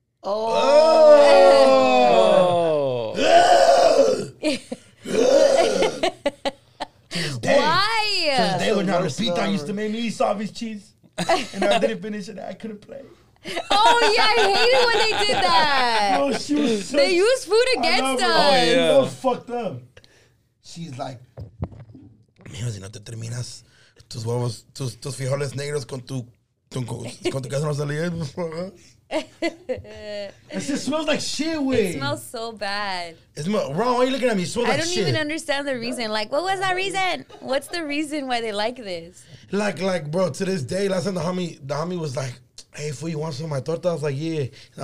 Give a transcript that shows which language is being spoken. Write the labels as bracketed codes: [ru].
[en] Oh. Oh. Why? Today when I repeat, I used to make me eat salvi cheese. And I didn't finish it. I couldn't play. Oh, yeah, I hated when they did that. No, she was so, they used food against us. Oh, yeah. She was fucked up. She's like, [es] mijo, si no te terminas tus huevos, tus frijoles negros con tu casa no salía. [en] It just smells like shit, wey. It smells so bad. It smells wrong. Why are you looking at me? It smells like shit. I don't even understand the reason. Like, what was that reason? What's the reason why they like this? Like, bro, to this day, last time the homie was like, hey, fool, you want some of my torta? I was like, yeah.